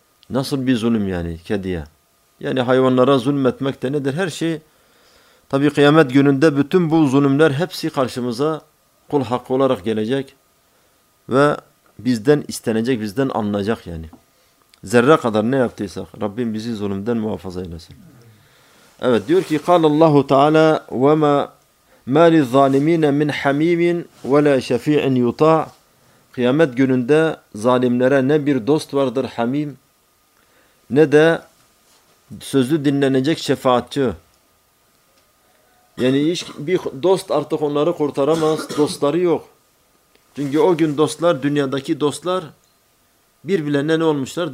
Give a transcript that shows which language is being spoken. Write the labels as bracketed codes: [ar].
[tr] Nasıl bir zulüm yani kediye? Yani hayvanlara zulmetmek de nedir? Her şey, tabi kıyamet gününde bütün bu zulümler hepsi karşımıza kul hakkı olarak gelecek. Ve bizden istenecek, bizden alınacak yani. Zerre kadar ne yaptıysak Rabbim bizi zulümden muhafaza eylesin. Evet diyor ki, [ar] قال الله تعالى وَمَا مَا لِلظَّالِمِينَ مِنْ حَمِيمٍ وَلَا شَفِيعٍ يُطَعٍ. [tr] Kıyamet gününde zalimlere ne bir dost vardır hamim, ne de sözlü dinlenecek şefaatçi. Yani hiç bir dost artık onları kurtaramaz. Dostları yok. Çünkü o gün dostlar, dünyadaki dostlar birbirlerine ne olmuşlar?